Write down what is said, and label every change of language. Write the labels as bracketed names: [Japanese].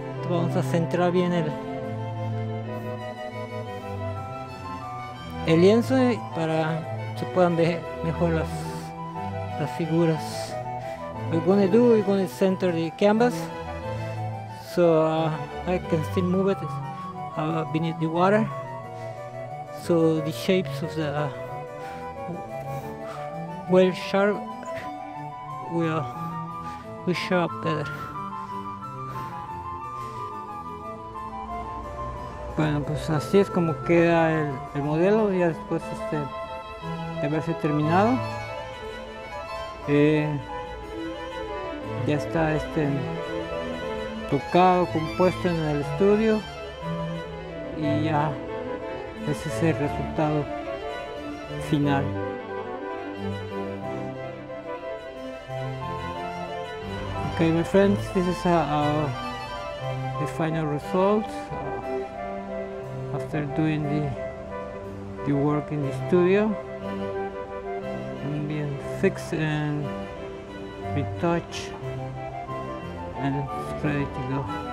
[Spanish] Vamos a centrar bien el lienzo para que se puedan ver mejor las figuras. [English] We're gonna do, we're gonna center the canvas so I can still move it beneath the water, so the shapes of the whale shark will show up better. [Spanish] Bueno, pues así es como queda el modelo ya después de haberse terminado. Ya está tocado, compuesto en el estudio y ya ese es el resultado final. [English] Okay, my friends, this is the final result after doing the work in the studio. I'm being fixed and retouch and it's ready to go.